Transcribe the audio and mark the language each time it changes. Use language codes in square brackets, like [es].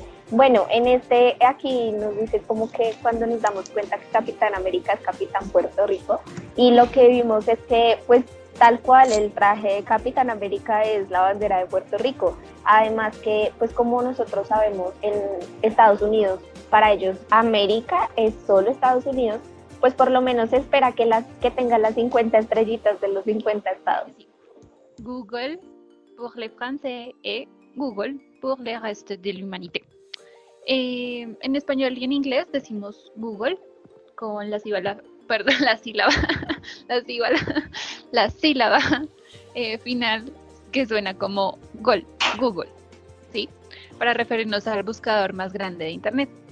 [es] Bueno, en aquí nos dice como que cuando nos damos cuenta que Capitán América es Capitán Puerto Rico, y lo que vimos es que, pues, tal cual el traje de Capitán América es la bandera de Puerto Rico. Además que, pues, como nosotros sabemos, en Estados Unidos para ellos América es solo Estados Unidos, pues por lo menos espera que las que tengan las 50 estrellitas de los 50 estados. [fr] Google pour les Français et Google pour le reste de l'humanité. [es] En español y en inglés decimos Google con la sílaba, perdón, la sílaba final que suena como gol, Google, ¿sí? Para referirnos al buscador más grande de internet.